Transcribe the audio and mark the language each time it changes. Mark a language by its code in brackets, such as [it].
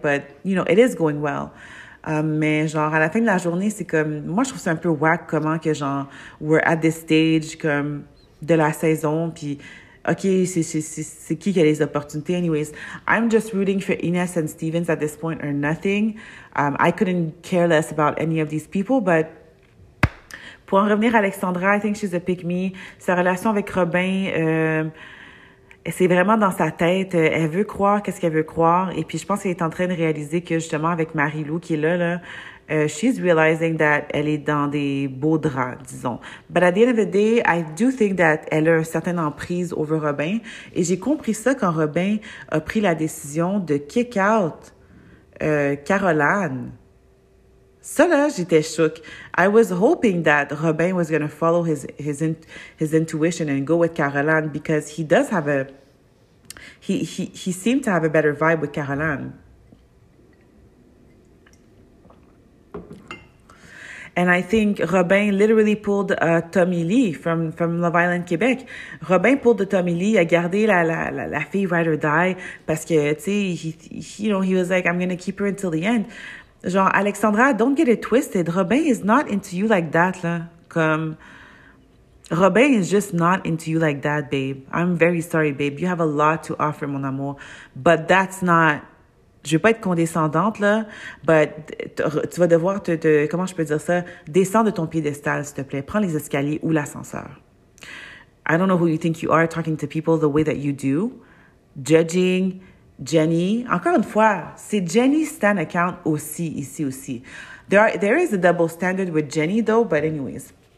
[en] But, you know, it is going well. [fr] Mais genre, à la fin de la journée, c'est comme, moi, je trouve ça un peu whack comment que, genre, [en] we're at this stage, [fr] comme, de la saison, puis, OK, c'est qui a les opportunités, anyways. [en] I'm just rooting for Inès and Stevens at this point or nothing. I couldn't care less about any of these people, but [fr] pour en revenir à Alexandra, [en] I think she's a pick-me. [fr] Sa relation avec Robin, c'est vraiment dans sa tête. Elle veut croire qu'est-ce qu'elle veut croire. Et puis, je pense qu'elle est en train de réaliser que, justement, avec Marie-Lou qui est là, là, [en] she's realizing that [fr] elle est dans des beaux draps, disons. [en] But at the end of the day, I do think that [fr] elle a une certaine emprise [en] over Robin. [fr] Et j'ai compris ça quand Robin a pris la décision de kick out Caroline. Ça, là, j'étais choque. [en] I was hoping that Robin was going to follow his intuition and go with Caroline because he does have a... He seemed to have a better vibe with Caroline. And I think Robin literally pulled Tommy Lee from Love Island Québec. Robin pulled the Tommy Lee, [fr] a gardé la fille [en] ride or die [fr] parce que, tu sais, [en] he, you know, he was like, I'm going to keep her until the end. Genre, Alexandra, don't get it twisted. Robin is not into you like that, là. Comme, Robin is just not into you like that, babe. I'm very sorry, babe. You have a lot to offer, [fr] mon amour. [en] But that's not... [fr] Je vais pas être condescendante, là. But tu vas devoir te... Comment je peux dire ça? Descends de ton piédestal, s'il te plaît. Prends les escaliers ou l'ascenseur. [en] I don't know who you think you are talking to people the way that you do. Judging... [fr] Jenny, encore une fois, c'est [en] Jenny's stan account [fr] aussi, ici aussi. [en] There is a double standard with Jenny, though, but anyways.